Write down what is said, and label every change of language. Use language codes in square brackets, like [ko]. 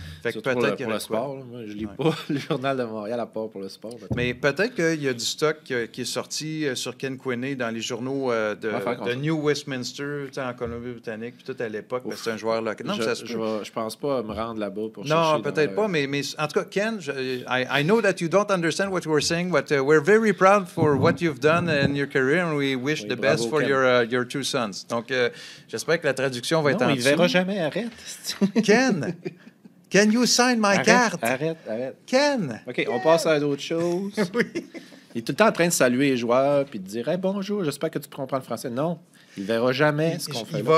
[fr] Fait que peut-être pour le sport, là, moi, je ne lis pas le Journal de Montréal à part pour le sport. Peut-être. Mais peut-être qu'il y a du stock qui est sorti sur Ken Quinney dans les journaux de New Westminster, en Colombie-Britannique, puis tout à l'époque, parce que c'est un joueur local. Non, je pense pas me rendre là-bas pour chercher. Non, peut-être pas, mais en tout cas, [en] Ken, I know that you don't understand what we're saying, but we're very proud for what you've done in your career, and we wish the best for your two sons. [fr] Donc, j'espère que la traduction va être en dessous. Non, il verra jamais. Arrête. [en] Ken, can you sign my card? [fr] Arrête. Ken! OK, on passe à d'autres choses. Oui. Il est tout le temps en train de saluer les joueurs puis de dire hey, « Bonjour, j'espère que tu comprends le français. » Non, il verra jamais ce qu'on fait.